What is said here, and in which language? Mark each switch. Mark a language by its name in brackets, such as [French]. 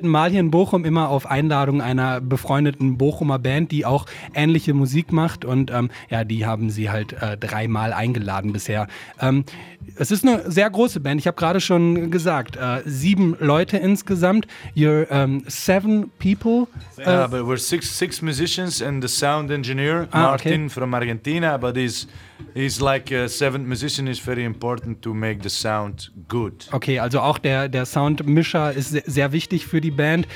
[German] Mal hier in Bochum, immer auf Einladung einer befreundeten Bochumer Band, die auch ähnliche Musik macht. Und die haben sie halt 3-mal eingeladen bisher. Es ist eine sehr große Band. Ich habe gerade schon gesagt, 7 Leute insgesamt. [English] You're 7 people. But we're 6 musicians and the sound engineer, Martin, from Argentina. But he's like a 7th musician. Is very important to make the sound good. [German] Okay, also auch der Soundmischer ist sehr wichtig für die Band.